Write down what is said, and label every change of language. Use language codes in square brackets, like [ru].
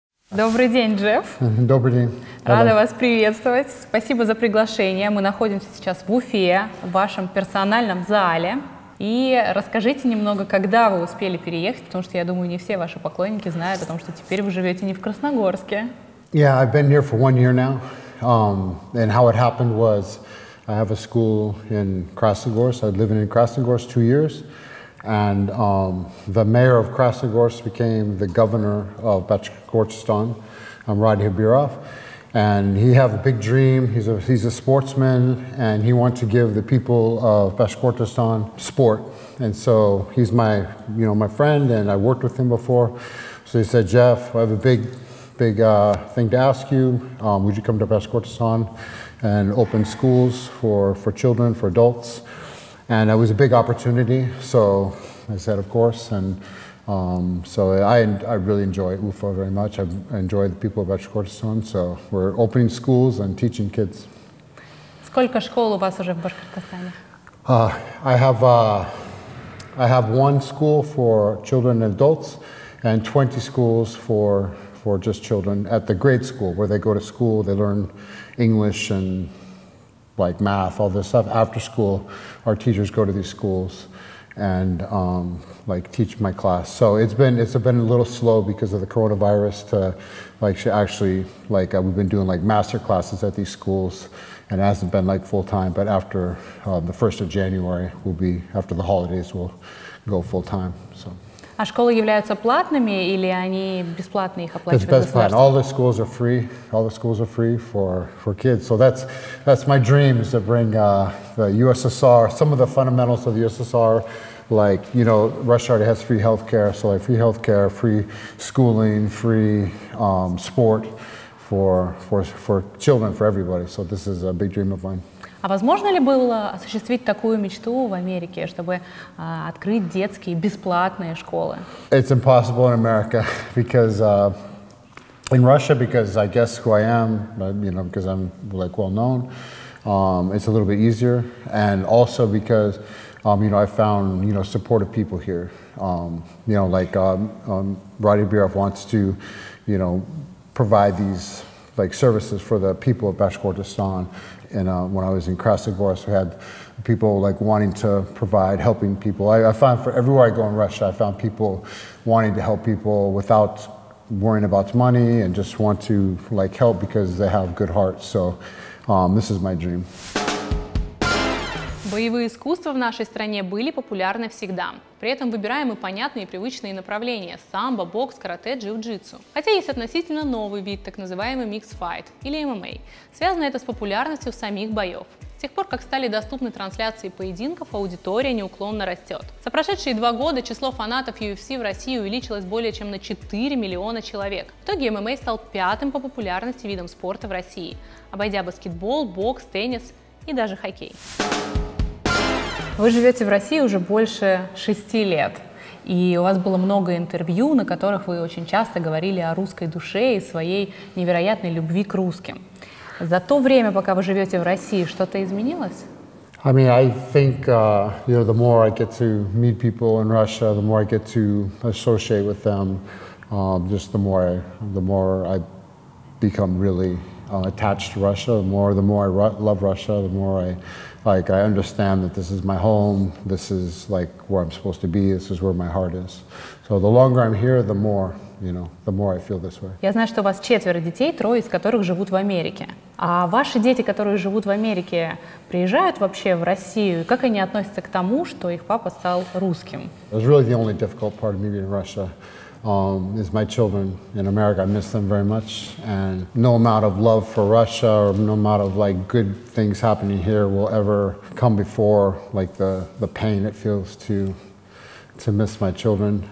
[ru] Добрый день, Джефф. Добрый день. Рада вас приветствовать. Спасибо за приглашение. Мы находимся сейчас в Уфе, в вашем персональном зале. И расскажите немного, когда вы успели переехать, потому что, я думаю, не все ваши поклонники знают о том, что теперь вы живете не в Красногорске. [en] Yeah, I've been here for one year now. And how it happened was... I have a school in Krasnogorsk. I've been living in Krasnogorsk 2 years. And the mayor of Krasnogorsk became the governor of Bashkortostan, Radi Habirov. And he have a big dream. He's a sportsman, and he wants to give the people of Bashkortostan sport. And so he's my, you know, my friend, and I worked with him before. So he said, Jeff, I have a big thing to ask you. Would you come to Bashkortostan and open schools for children, for adults? And it was a big opportunity, so I said, of course. And so I really enjoy UFO very much. I enjoy the people of Bashkortostan, so we're opening schools and teaching kids. [ru] Сколько школ у вас уже в Башкортостане? [en] I have one school for children and adults, and 20 schools for just children at the grade school, where they go to school, they learn English and like math, all this stuff. After school, our teachers go to these schools and like teach my class. So it's been a little slow because of the coronavirus to like actually, like we've been doing like master classes at these schools, and it hasn't been like full time, but after the 1st of January, we'll be, after the holidays, we'll go full time, so. [ru] А школы являются платными или они бесплатные, их оплачивают государство? [en] It's best plan. All the schools are free. All the schools are free for kids. So that's my dream, is to bring the USSR, some of the fundamentals of the USSR, like, you know, Russia already has free healthcare, so like free healthcare, free schooling, free sport for children, for everybody. So this is a big dream of mine. [ru] А возможно ли было осуществить такую мечту в Америке, чтобы открыть детские бесплатные школы? [en] It's impossible in America, because in Russia, because I guess who I am, you know, because I'm like well known, it's a little bit easier, and also because you know, I found, you know, supportive people here. You know, like Radi Habirov wants to, you know, provide these like services for the people of Bashkortostan. And when I was in Krasnogorsk, we had people like wanting to provide, helping people. I found for everywhere I go in Russia, I found people wanting to help people without worrying about money and just want to like help because they have good hearts. So this is my dream. [ru] Боевые искусства в нашей стране были популярны всегда. При этом выбираем и понятные, и привычные направления – самбо, бокс, карате, джиу-джитсу. Хотя есть относительно новый вид, так называемый микс-файт или ММА. Связано это с популярностью самих боев. С тех пор, как стали доступны трансляции поединков, аудитория неуклонно растет. За прошедшие 2 года число фанатов UFC в России увеличилось более чем на 4 миллиона человек. В итоге ММА стал 5-м по популярности видом спорта в России, обойдя баскетбол, бокс, теннис и даже хоккей. Вы живете в России уже больше 6 лет. И у вас было много интервью, на которых вы очень часто говорили о русской душе и своей невероятной любви к русским. За то время, пока вы живете в России, что-то изменилось? [en] I mean, I think, you know, the more I get to meet people in Russia, the more I get to associate with them, just the more I become really attached to Russia. The more I love Russia, the more I understand that this is my home. This is like where I'm supposed to be. This is where my heart is. So the longer I'm here, the more, you know, the more I feel this way. [ru] Я знаю, что у вас четверо детей, трое из которых живут в Америке. А ваши дети, которые живут в Америке, приезжают вообще в Россию? Как они относятся к тому, что их папа стал русским? [en] It's really the only difficult part of me being in Russia. Is my children in America. I miss them very much. And no amount of love for Russia or no amount of like good things happening here will ever come before like the pain it feels to miss my children.